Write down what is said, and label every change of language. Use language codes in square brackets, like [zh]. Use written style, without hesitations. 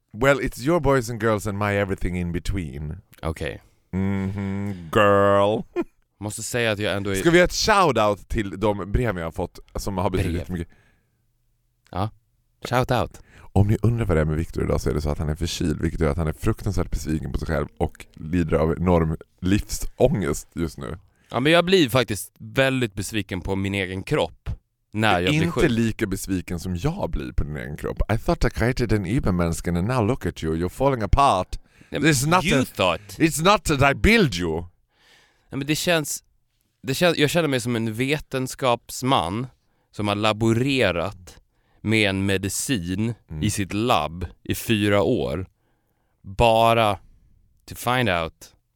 [en] Well, it's your boys and girls and my everything in between. [sv] Okej. [en] Okay. Mm-hmm, girl. [sv] Måste säga att jag ändå är... Ska vi ha ett shout-out till de brev jag har fått som har betydligt mycket? Ja, shout-out. Om ni undrar vad det är med Victor idag så är det så att han är förkyld, vilket gör att han är fruktansvärt besviken på sig själv och lider av enorm livsångest just nu. Ja, men jag blir faktiskt väldigt besviken på min egen kropp när jag blir sjuk. Inte lika besviken som jag blir på din egen kropp. [en] I thought I created an übermänniskan and now look at you, you're falling apart. It's not that I build you. [sv] Nej, men det känns, jag känner mig som en vetenskapsman som har laborerat med en medicin i sitt labb i 4 år bara [en] to find out